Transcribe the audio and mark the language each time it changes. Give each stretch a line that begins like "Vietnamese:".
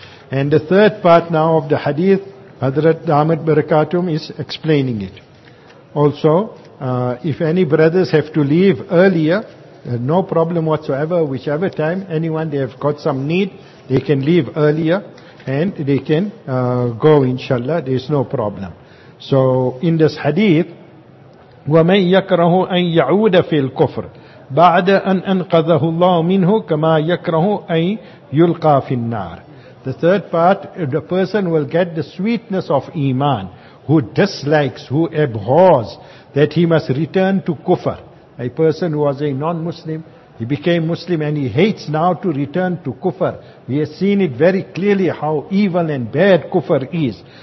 English: And the third part now of the hadith, Hazrat Damat Barakatum is explaining it. Also, if any brothers have to leave earlier, no problem whatsoever, whichever time, anyone they have got some need, they can leave earlier and they can go, inshallah, there is no problem. So, in this hadith,
Arabic: وَمَنْ يَكْرَهُ أَنْ يَعُودَ فِي الْكُفْرِ بَعْدَ أَنْ أَنْقَذَهُ اللَّهُ مِنْهُ كَمَا يَكْرَهُ أَنْ يُلْقَى فِي النَّارِ.
English: The third part, the person will get the sweetness of iman, who dislikes, who abhors, that he must return to kufr. A person who was a non-Muslim, he became Muslim and he hates now to return to kufr. He has seen it very clearly how evil and bad kufr is.